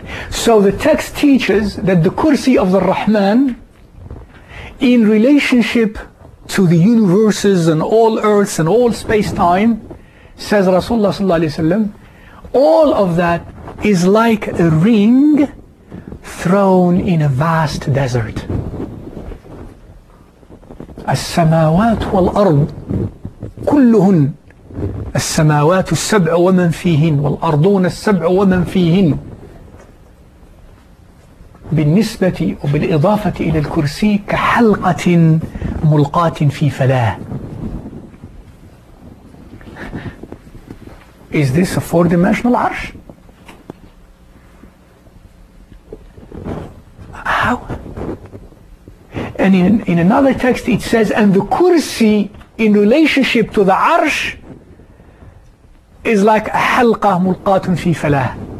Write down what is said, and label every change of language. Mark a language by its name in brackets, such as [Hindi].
[English] So the text teaches that the kursi of the Rahman, in relationship to the universes and all earths and all space-time, says Rasulullah sallallahu alayhi wa sallam, all of that is like a ring thrown in a vast desert. [Arabic] السماوات والأرض كلهن السماوات السبع ومن فيهن والأرضون السبع ومن فيهن. بالنسبة وبالإضافة إلى الكرسي كحلقة ملقاة في فلاة. [English] Is this a four-dimensional arsh? How? And in another text it says, and the kursi in relationship to the arsh is like a [Arabic] halqa mulqatun fi falah.